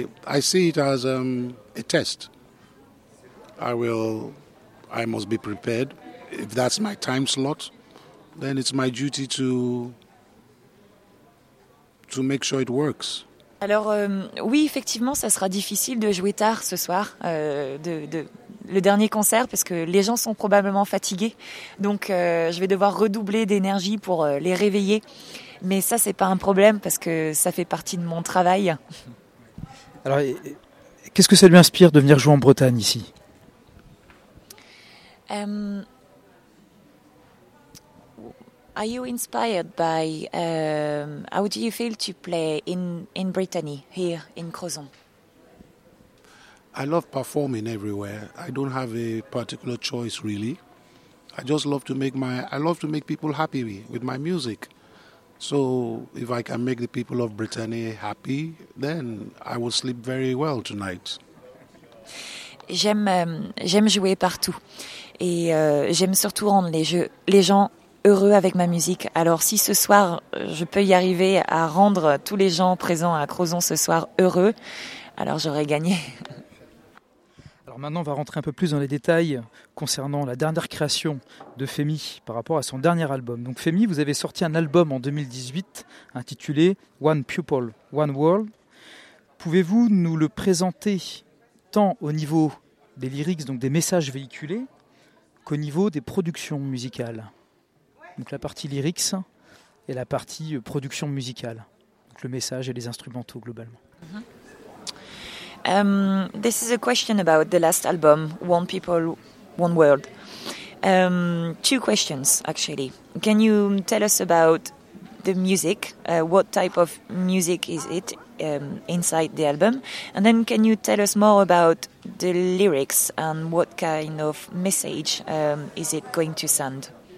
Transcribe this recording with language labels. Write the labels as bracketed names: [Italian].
[English] I see it as a test. I must be prepared. If that's my time slot, then it's my duty to make sure it works. [French] Alors oui, effectivement, ça sera difficile de jouer tard ce soir, le dernier concert, parce que les gens sont probablement fatigués. Donc je vais devoir redoubler d'énergie pour les réveiller. Mais ça, c'est pas un problème, parce que ça fait partie de mon travail. Alors, qu'est-ce que ça lui inspire de venir jouer en Bretagne ici? [English] Are you inspired by how do you feel to play in Brittany here in Crozon? I love performing everywhere. I don't have a particular choice really. I just love to make make people happy with my music. So if I can make the people of Brittany happy, then I will sleep very well tonight. [French] J'aime jouer partout et j'aime surtout rendre les gens heureux avec ma musique. Alors si ce soir je peux y arriver à rendre tous les gens présents à Crozon ce soir heureux, alors j'aurais gagné. Alors maintenant on va rentrer un peu plus dans les détails concernant la dernière création de Femi par rapport à son dernier album. Donc Femi, vous avez sorti un album en 2018 intitulé One People, One World. Pouvez-vous nous le présenter tant au niveau des lyrics, donc des messages véhiculés, qu'au niveau des productions musicales? Donc la partie lyrics et la partie production musicale, donc le message et les instrumentaux globalement. Mm-hmm. [English] This is a question about the last album, One People, One World. Two questions actually. Can you tell us about the music? What type of music is it inside the album? And then can you tell us more about the lyrics and what kind of message is it going to send?